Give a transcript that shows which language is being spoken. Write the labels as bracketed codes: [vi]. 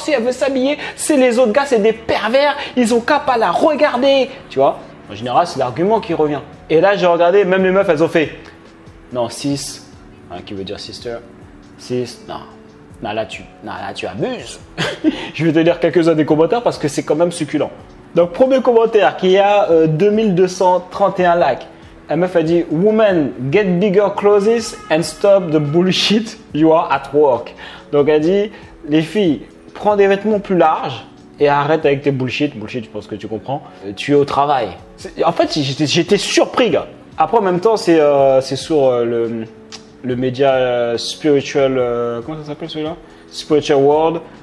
[fr] Si elle veut s'habiller, c'est les autres gars, c'est des pervers. Ils ont qu'à pas la regarder. » Tu vois, en général, c'est l'argument qui revient. Et là, j'ai regardé, même les meufs, elles ont fait « Non, 6. » Hein, qui veut dire sister, sis, non, là tu abuses. Je vais te lire quelques-uns des commentaires parce que c'est quand même succulent. Donc, premier commentaire qui a 2231 likes. La meuf a dit, [en] woman, get bigger clothes and stop the bullshit you are at work. [fr] Donc, elle dit, les filles, prends des vêtements plus larges et arrête avec tes bullshit. Bullshit, je pense que tu comprends. Tu es au travail. En fait, j'étais surpris, gars. Après, en même temps, c'est sur le média spiritual, comment ça s'appelle celui-là? Spiritual World.